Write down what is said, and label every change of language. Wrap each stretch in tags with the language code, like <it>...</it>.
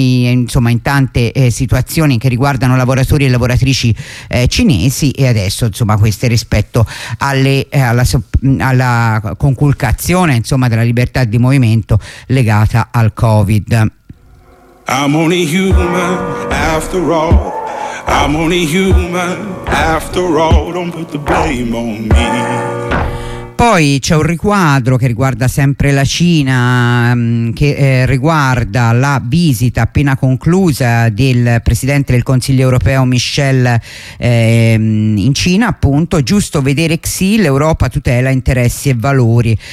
<it>insomma in tante situazioni che riguardano lavoratori e lavoratrici cinesi, e adesso insomma queste rispetto alla conculcazione insomma della libertà di movimento legata al Covid.</it> <en>I'm only human after all, I'm only human after all, don't put the blame on me.</en> <it>Poi c'è un riquadro che riguarda sempre la Cina, che riguarda la visita appena conclusa del presidente del Consiglio europeo Michel in Cina, appunto. Giusto vedere Xi, l'Europa tutela interessi e valori.</it>